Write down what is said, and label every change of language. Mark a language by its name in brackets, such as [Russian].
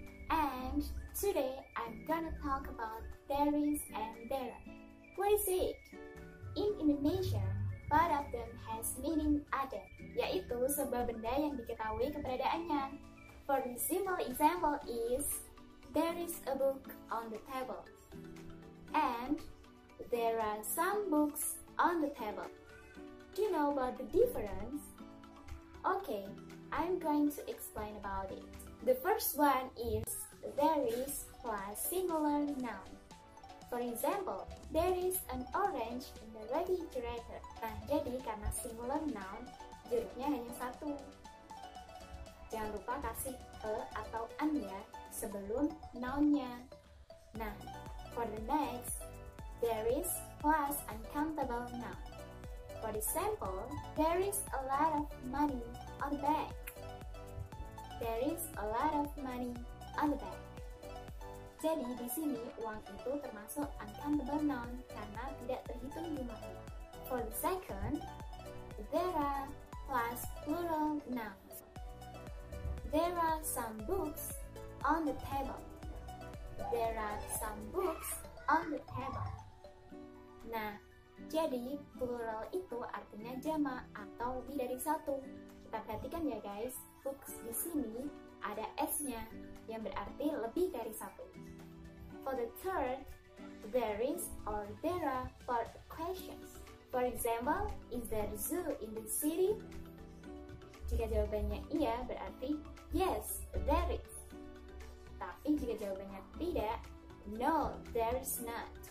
[English] And today I'm gonna talk about Darius and Dara. What is it? [Indonesian] In Indonesia, part of them has meaning ada, yaitu sebuah benda yang diketahui keberadaannya. [English] For the simple example is, there is a book on the table. And there are some books on the table. Do you know about the difference? Okay, I'm going to explain about it. The first one is there is plus singular noun. For example, there is an orange in the refrigerator. [Indonesian] Nah, jadi karena singular noun, jeruknya hanya satu. Jangan lupa kasih a atau an ya sebelum noun-nya. [English] Nah, for the next, there is plus uncountable noun. For example, there is a lot of money on the bank. There is a lot of money on the bank. [Indonesian] Jadi di sini uang itu termasuk uncountable noun karena tidak terhitung jumlahnya. [English] For the second, there are plus plural nouns. There are some books on the table. There are some books on the table. [Indonesian] Nah, jadi plural itu artinya jamak atau lebih dari satu. Kita perhatikan ya guys, books di sini ada s-nya yang berarti lebih dari satu. [English] For the third, there is or there are for questions. For example, is there a zoo in the city? [Indonesian] Jika jawabannya iya, berarti yes, there is. Tapi jika jawabannya tidak, no, there's not.